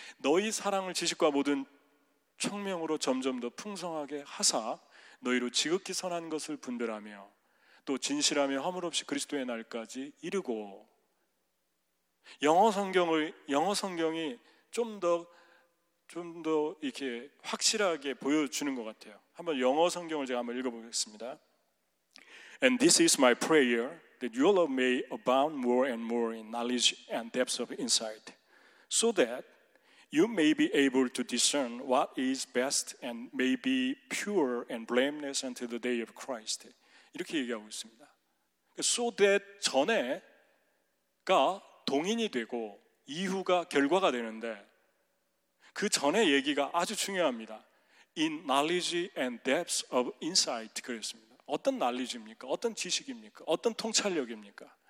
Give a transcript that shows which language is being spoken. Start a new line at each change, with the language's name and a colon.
Korean: 너희 사랑을 지식과 모든 청명으로 점점 더 풍성하게 하사 너희로 지극히 선한 것을 분별하며 또 진실하며 허물 없이 그리스도의 날까지 이르고. 영어 성경이 좀 더 이렇게 확실하게 보여주는 것 같아요. 한번 영어 성경을 제가 한번 읽어보겠습니다.
English: And this is my prayer that your love may abound more and more in knowledge and depths of insight, so that you may be able to discern what is best and may be pure and blameless until the day of Christ.
Korean: 이렇게 얘기하고 있습니다. So that 전에가 동인이 되고 이후가 결과가 되는데 그 전에 얘기가 아주 중요합니다.
English: In knowledge and depths of insight 그랬습니다.
Korean: 어떤 knowledge입니까? 어떤 지식입니까? 어떤 통찰력입니까?